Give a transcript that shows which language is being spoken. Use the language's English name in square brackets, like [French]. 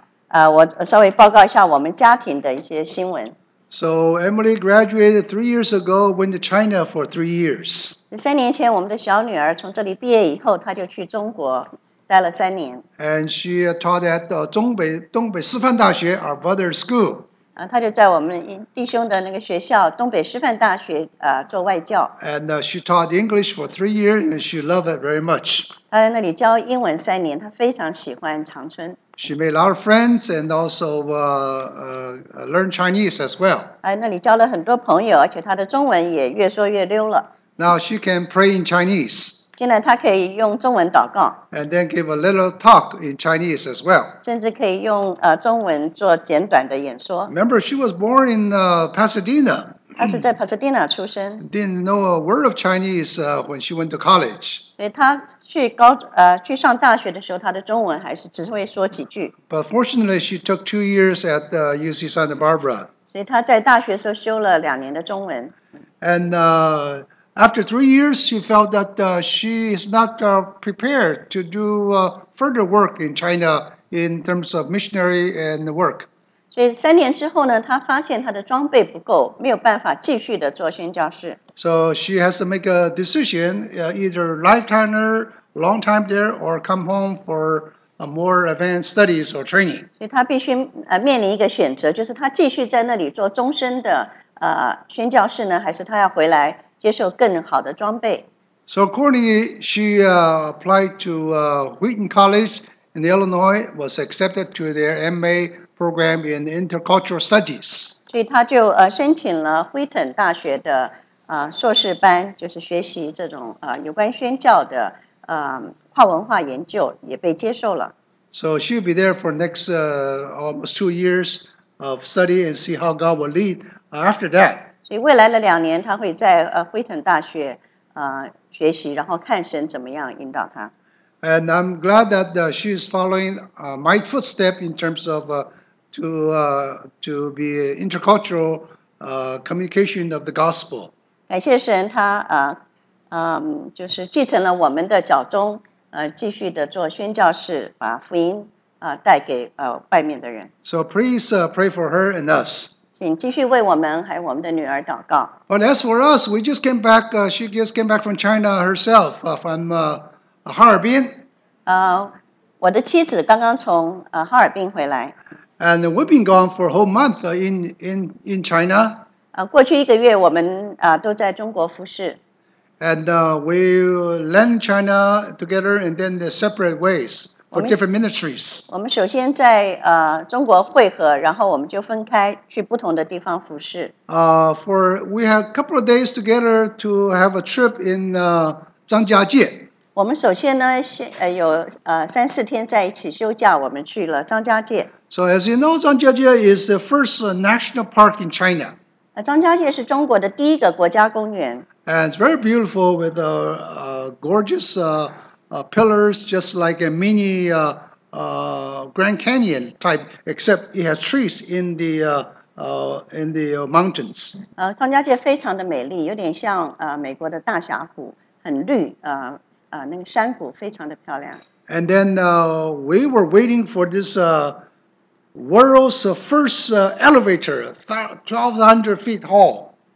[Chinese] 我稍微报告一下我们家庭的一些新闻。 [English] So Emily graduated 3 years ago, went to China for 3 years. [Chinese] 三年前，我们的小女儿从这里毕业以后，她就去中国。待了三年。 [English] And she taught at 东北师范大学 our brother's school. [Chinese] 她就在我们弟兄的那个学校东北师范大学做外教。 [English] And she taught English for 3 years and she loved it very much. [Chinese] 她在那里教英文三年，她非常喜欢长春。 [English] She made a lot of friends and also learned Chinese as well. [Chinese] 那里交了很多朋友，而且她的中文也越说越溜了。 [English] Now she can pray in Chinese. [Chinese] 现在他可以用中文祷告 [English] ，and then give a little talk in Chinese as well. [Chinese] 甚至可以用中文做简短的演说。 [English] Remember, she was born in Pasadena. [Chinese] 她是在 Pasadena 出生。 [English] Didn't know a word of Chinese when she went to college. [Chinese] 所以她去上大学的时候，她的中文还是只会说几句。 [English] But fortunately, she took 2 years at UC Santa Barbara. [Chinese] 所以她在大学时候修了两年的中文。 [English] And After 3 years, she felt that she is not prepared to do further work in China in terms of missionary and work. [Chinese] 所以三年之后呢，她发现她的装备不够，没有办法继续的做宣教士。 [English] So she has to make a decision, either lifetime or long time there, or come home for more advanced studies or training. [Chinese] 所以她必须面临一个选择，就是她继续在那里做终身的宣教士呢，还是她要回来？接受更好的装备。 [English] So accordingly, she applied to Wheaton College in Illinois, was accepted to their MA program in intercultural studies. [Chinese] 所以她就申请了惠特大学的硕士班，就是学习这种有关宣教的跨文化研究，也被接受了。 [English] So she'll be there for next almost 2 years of study and see how God will lead after that. [Chinese] 所以未来的两年，他会在惠特大学学习，然后看神怎么样引导他。 [English] And I'm glad that she is following my footstep in terms of to be intercultural communication of the gospel. [Chinese] 感谢神，他就是继承了我们的脚踪，继续的做宣教士，把福音带给外面的人。 [English] So please pray for her and us. [Chinese] 请继续为我们还有我们的女儿祷告。 [English] But as for us, we just came back. She just came back from China herself, from Harbin. [Chinese] 我的妻子刚刚从哈尔滨回来。 [English] And we've been gone for a whole month in China. [Chinese] 过去一个月我们都在中国服事。 [English] And we land China together, and then the separate ways for different ministries. [Chinese] 我们首先在中国会合，然后我们就分开去不同的地方服事。 [English] We had a couple of days together to have a trip in 张家界。 [Chinese] 我们首先呢，先有三四天在一起休假，我们去了张家界。 [English] So as you know, Zhangjiajie is the first national park in China. [Chinese] 张家界是中国的第一个国家公园。 [English] And it's very beautiful with the gorgeous pillars, just like a mini Grand Canyon type, except it has trees in the mountains. [Chinese] 张家界非常的美丽，有点像美国的大峡谷，很绿那个山谷非常的漂亮。 [English] And then we were waiting for this world's first elevator, 1,200 feet tall.